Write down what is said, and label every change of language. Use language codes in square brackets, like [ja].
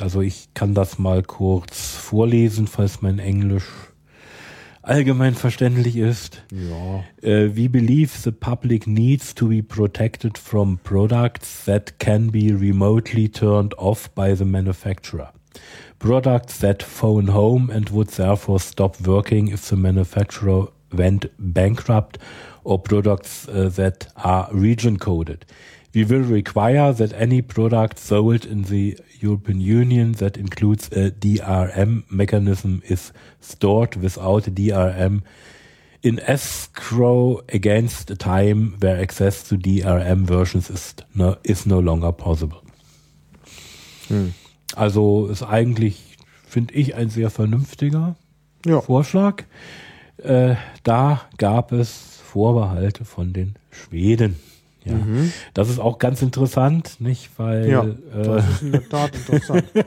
[de] Also ich kann das mal kurz vorlesen, falls mein Englisch allgemein verständlich ist. Ja. [en] We believe the public needs to be protected from products that can be remotely turned off by the manufacturer. Products that phone home and would therefore stop working if the manufacturer went bankrupt, or products that are region coded. We will require that any product sold in the European Union that includes a DRM mechanism is stored without a DRM in escrow against a time where access to DRM versions is no longer possible. [de] Also ist eigentlich, finde ich, ein sehr vernünftiger Vorschlag. Da gab es Vorbehalte von den Schweden. Ja, das ist auch ganz interessant, nicht? Weil das ist in der Tat interessant.